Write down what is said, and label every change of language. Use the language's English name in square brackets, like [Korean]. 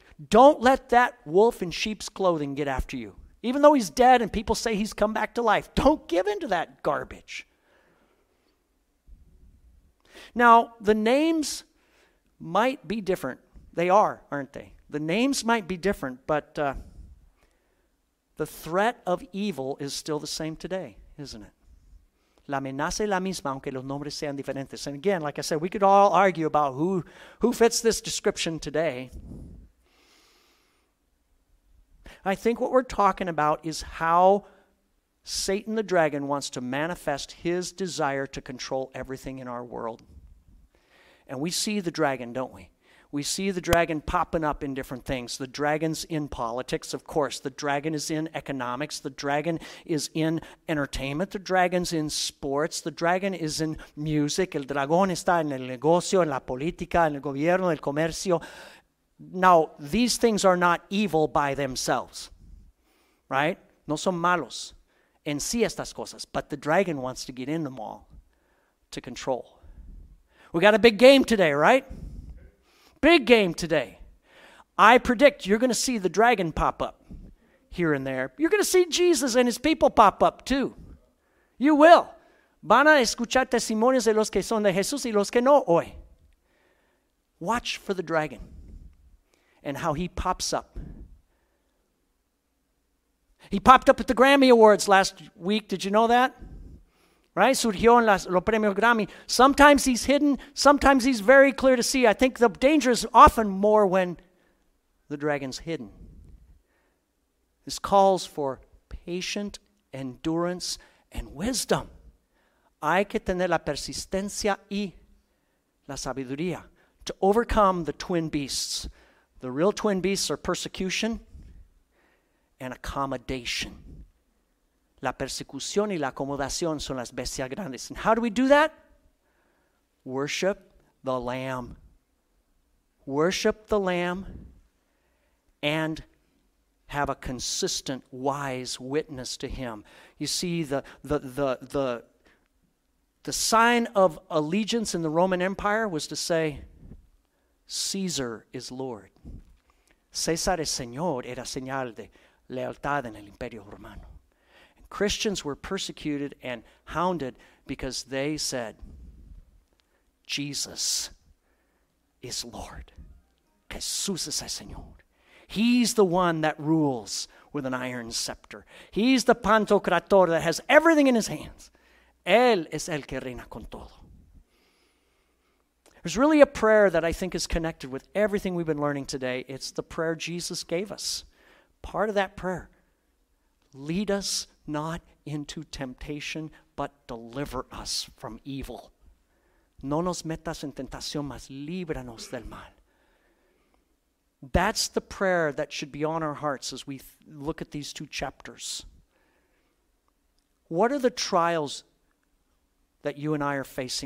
[English] Don't let that wolf in sheep's clothing get after you. Even though he's dead and people say he's come back to life, don't give in to that garbage. Now, the names might be different. They are, aren't they? The names might be different, but The threat of evil is still the same today, isn't it? [Spanish] La amenaza es la misma, aunque los nombres sean diferentes. [English] And again, like I said, we could all argue about who fits this description today. I think what we're talking about is how Satan the dragon wants to manifest his desire to control everything in our world. And we see the dragon, don't we? We see the dragon popping up in different things. The dragon's in politics, of course. The dragon is in economics. The dragon is in entertainment. The dragon's in sports. The dragon is in music. [Spanish] El dragón está en el negocio, en la política, en el gobierno, el comercio. [English] Now, these things are not evil by themselves, right? [Spanish] No son malos en sí estas cosas, [English] but the dragon wants to get in them all to control. We got a big game today, right? Big game today. I predict you're going to see the dragon pop up here and there. You're going to see Jesus and his people pop up too. You will. [Spanish] Van a escuchar testimonios de los que son de Jesús y los que no hoy. [English] Watch for the dragon and how he pops up. He popped up at the Grammy Awards last week. Did you know that? Right? [Spanish] Surgió en los premios Grammy. [English] Sometimes he's hidden. Sometimes he's very clear to see. I think the danger is often more when the dragon's hidden. This calls for patient endurance and wisdom. [Spanish] Hay que tener la persistencia y la sabiduría [English] to overcome the twin beasts. The real twin beasts are persecution and accommodation. [Spanish] La persecución y la acomodación son las bestias grandes. [English] And how do we do that? Worship the Lamb. Worship the Lamb and have a consistent, wise witness to him. You see, the sign of allegiance in the Roman Empire was to say, Caesar is Lord. [Spanish] César es Señor era señal de lealtad en el Imperio Romano. [English] Christians were persecuted and hounded because they said, Jesus is Lord. [Spanish] Jesús es el Señor. [English] He's the one that rules with an iron scepter. He's the pantocrator that has everything in his hands. [Spanish] Él es el que reina con todo. [English] There's really a prayer that I think is connected with everything we've been learning today. It's the prayer Jesus gave us. Part of that prayer, lead us not into temptation, but deliver us from evil. [Spanish] No nos metas en tentación, mas líbranos del mal. [English] That's the prayer that should be on our hearts as we look at these two chapters. What are the trials that you and I are facing right now?